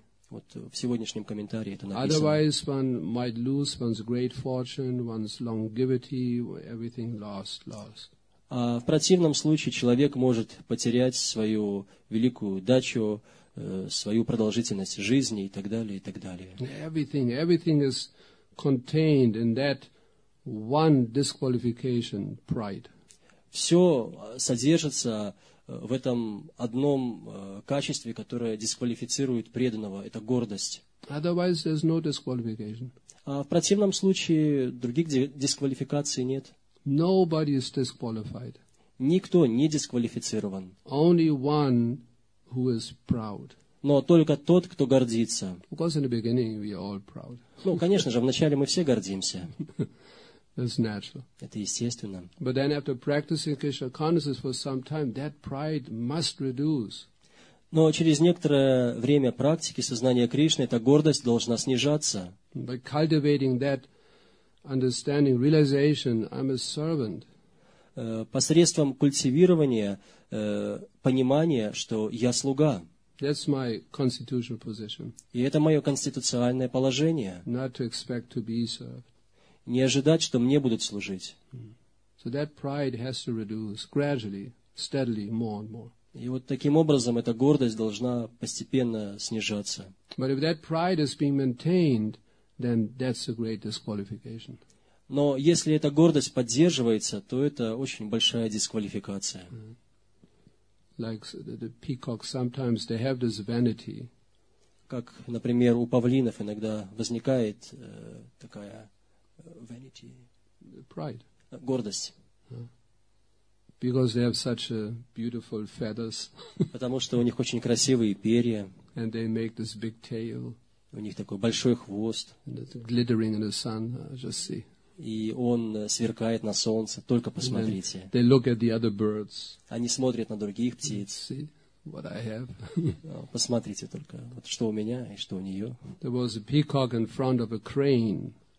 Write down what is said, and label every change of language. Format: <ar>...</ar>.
<ru>Вот в сегодняшнем комментарии это написано.</ru> <en>Otherwise one might lose one's great fortune, one's longevity, everything lost, lost.</en> <ru>А в противном случае человек может потерять свою великую дачу, свою продолжительность жизни и так далее, и так далее.</ru> <en>Everything, everything is contained in that one disqualification, pride.</en> <ru>Все содержится в этом одном качестве, которое дисквалифицирует преданного, это гордость.</ru> <en>Otherwise, there's no disqualification.</en> <ru>А в противном случае других дисквалификаций нет.</ru> <en>Nobody is disqualified.</en> <ru>Никто не дисквалифицирован.</ru> <en>Only one who is proud.</en> <ru>Но только тот, кто гордится.</ru> <en>Of course, in the beginning, we are all proud.</en> <ru>Ну, конечно же, вначале мы все гордимся.</ru> <en>That's natural.</en> <ru>Это естественно.</ru> <en>But then after practicing Krishna consciousness for some time, that pride must reduce.</en> <ru>Но через некоторое время практики сознания Кришны эта гордость должна снижаться.</ru> <en>By cultivating that understanding, realization, I'm a servant.</en> <ru>Посредством культивирования понимания, что я слуга.</ru> <en>That's my constitutional position.</en> <ru>И это мое конституциональное положение.</ru> <en>Not to expect to be served.</en> <ru>Не ожидать, что мне будут служить.</ru> <en>So that pride has to reduce gradually, steadily, more and more.</en> <ru>И вот таким образом эта гордость должна постепенно снижаться.</ru> <en>But if that pride is being maintained, then that's a great disqualification.</en> <ru>Но если эта гордость поддерживается, то это очень большая дисквалификация.</ru> <en>Like the peacock, sometimes they have this vanity.</en> <ru>Как, например, у павлинов иногда возникает такая vanity,</ru> <en>pride,</en> <ru>гордость.</ru> <en>Because they have such beautiful feathers.</en> <ru>Потому что у них очень красивые перья.</ru> <en>And they make this big tail.</en> <ru>У них такой большой хвост.</ru> <en>And it's glittering in the sun, just see.</en> <ru>И он сверкает на солнце. Только посмотрите.</ru> <en>They look at the other birds.</en> <ru>Они смотрят на других птиц.</ru> <en>See what I have.</en> <ru>Посмотрите только, вот что у меня и что у нее.</ru> <en>There was a peacock in front of a crane.</en>